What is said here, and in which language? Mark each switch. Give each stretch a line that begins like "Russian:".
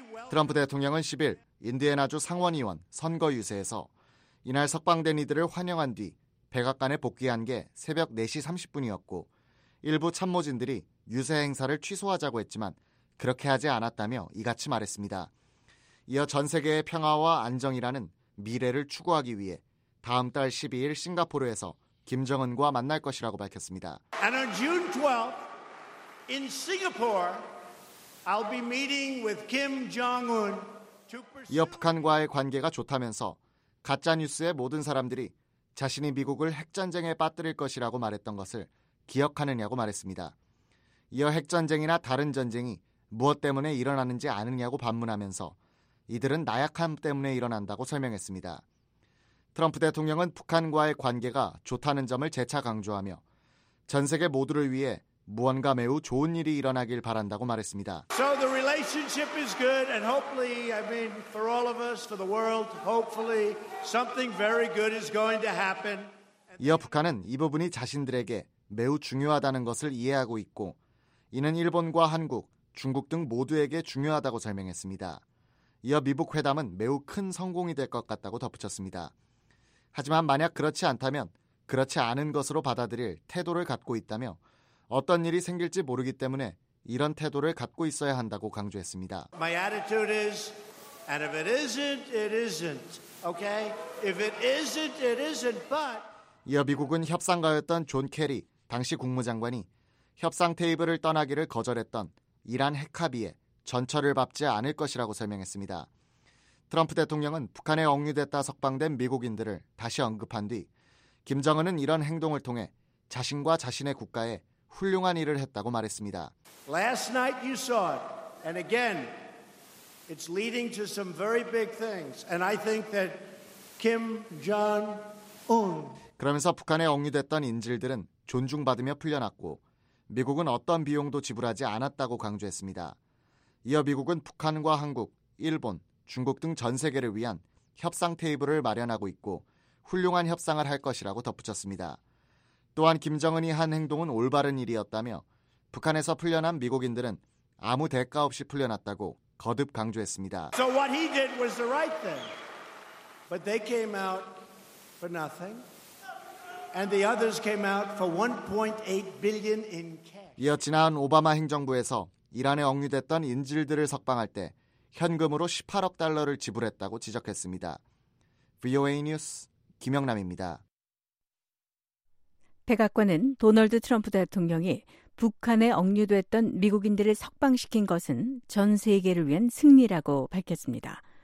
Korean: 트럼프 대통령은 10일 인디애나주 상원의원 선거 유세에서 이날 석방된 이들을 환영한 뒤 백악관에 복귀한 게 새벽 4시 30분이었고 일부 참모진들이 유세 행사를 취소하자고 했지만 그렇게 하지 않았다며 이같이 말했습니다. 이어 전 세계의 평화와 안정이라는 미래를 추구하기 위해 다음 달 12일 싱가포르에서 김정은과 만날 것이라고 밝혔습니다.
English: And on June 12th in Singapore, I'll be meeting with Kim Jong-un.
Korean: 이어 북한과의 관계가 좋다면서 가짜 뉴스에 모든 사람들이 자신이 미국을 핵전쟁에 빠뜨릴 것이라고 말했던 것을 기억하느냐고 말했습니다. 이어 핵전쟁이나 다른 전쟁이 무엇 때문에 일어나는지 아느냐고 반문하면서 이들은 나약함 때문에 일어난다고 설명했습니다. 트럼프 대통령은 북한과의 관계가 좋다는 점을 재차 강조하며 전 세계 모두를 위해 무언가 매우 좋은 일이 일어나길 바란다고 말했습니다.
English: So the relationship is good and hopefully, I mean, for all of us, for the world, hopefully something very good is going to happen.
Korean: 이어 북한은 이 부분이 자신들에게 매우 중요하다는 것을 이해하고 있고 이는 일본과 한국, 중국 등 모두에게 중요하다고 설명했습니다. 이어 미북 회담은 매우 큰 성공이 될 것 같다고 덧붙였습니다. 하지만 만약 그렇지 않다면 그렇지 않은 것으로 받아들일 태도를 갖고 있다며 어떤 일이 생길지 모르기 때문에 이런 태도를 갖고 있어야 한다고 강조했습니다.
English: My attitude is, and if it isn't, it isn't. Okay? If it isn't, it isn't. But
Korean: 이어 미국은 협상가였던 존 케리 당시 국무장관이 협상 테이블을 떠나기를 거절했던 이란 핵 합의에 전철을 밟지 않을 것이라고 설명했습니다. 트럼프 대통령은 북한에 억류됐다 석방된 미국인들을 다시 언급한 뒤 김정은은 이런 행동을 통해 자신과 자신의 국가에 훌륭한 일을 했다고 말했습니다.
English: Last night you saw it, and again, it's leading to some very big things. And I think that Kim Jong-un.
Korean: 그러면서 북한에 억류됐던 인질들은 존중받으며 풀려났고 미국은 어떤 비용도 지불하지 않았다고 강조했습니다. 이어 미국은 북한과 한국, 일본, 중국 등 전 세계를 위한 협상 테이블을 마련하고 있고 훌륭한 협상을 할 것이라고 덧붙였습니다. 또한 김정은이 한 행동은 올바른 일이었다며 북한에서 풀려난 미국인들은 아무 대가 없이 풀려났다고 거듭 강조했습니다.
English: So what he did was the right thing. But they came out for nothing. And the others came out for 1.8 billion in cash.
Korean: 이어 지난 오바마 행정부에서 이란에 억류됐던 인질들을 석방할 때 현금으로 18억 달러를 지불했다고 지적했습니다. VOA 뉴스 김영남입니다. 백악관은 도널드 트럼프 대통령이 북한에 억류됐던 미국인들을 석방시킨 것은 전 세계를 위한 승리라고 밝혔습니다.